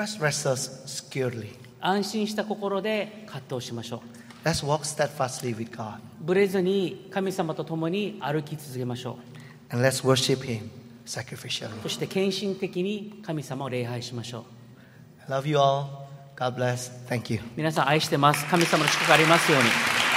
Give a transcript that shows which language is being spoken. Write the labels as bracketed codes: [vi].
[en] Let's rest securely. [ja] 安心した心で葛藤しましょう。 [en] Let's walk steadfastly with God. [ja] ブレずに神様と共に歩き続けましょう。 [en] And let's worship Him sacrificially. [ja] そして献身的に神様を礼拝しましょう。 [en] I love you all. God bless. Thank you. [ja] 皆さん愛してます。神様の祝福がありますように。